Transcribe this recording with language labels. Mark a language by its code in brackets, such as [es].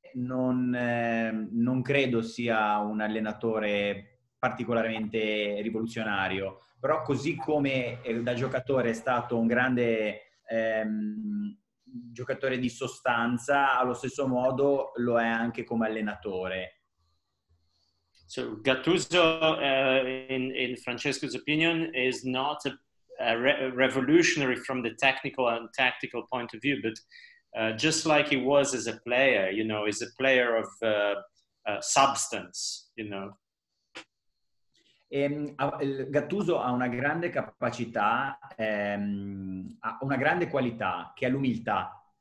[it] non credo sia un allenatore particolarmente rivoluzionario, però così come da giocatore è stato un grande giocatore di sostanza, allo stesso modo lo è anche come allenatore. [en] So Gattuso, in Francesco's opinion, is not a revolutionary from the technical and tactical point of view, but just like he was as a player, you know, he's a player of substance, you know. [it] Gattuso ha una grande capacità, ha una grande qualità, che è l'umiltà.